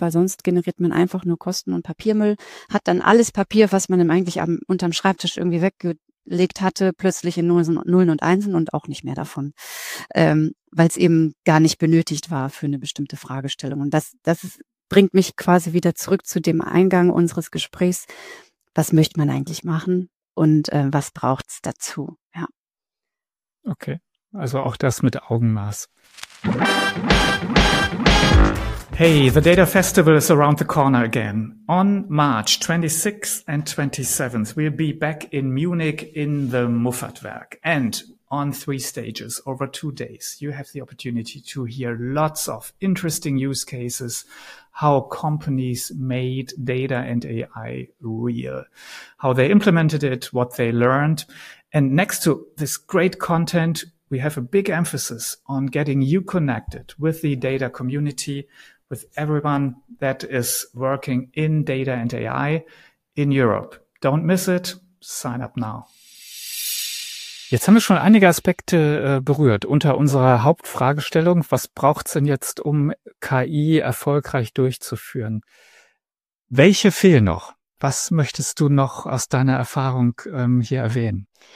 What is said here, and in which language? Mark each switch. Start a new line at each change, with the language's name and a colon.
German: Weil sonst generiert man einfach nur Kosten und Papiermüll, hat dann alles Papier, was man eigentlich unterm Schreibtisch irgendwie weggelegt hatte, plötzlich in Nullen und Einsen und auch nicht mehr davon, weil es eben gar nicht benötigt war für eine bestimmte Fragestellung. Und das bringt mich quasi wieder zurück zu dem Eingang unseres Gesprächs. Was möchte man eigentlich machen und was braucht es dazu? Ja. Okay, also auch das mit Augenmaß.
English: Hey, the Data Festival is around the corner again. On March 26th and 27th, we'll be back in Munich in the Muffatwerk and on 3 stages over 2 days. You have the opportunity to hear lots of interesting use cases, how companies made data and AI real, how they implemented it, what they learned. And next to this great content, we have a big emphasis on getting you connected with the data community, with everyone that is working in data and AI in Europe. Don't miss it. Sign up now.
German: Jetzt haben wir schon einige Aspekte berührt unter unserer Hauptfragestellung. Was braucht es denn jetzt, um KI erfolgreich durchzuführen? Welche fehlen noch? Was möchtest du noch aus deiner Erfahrung hier erwähnen?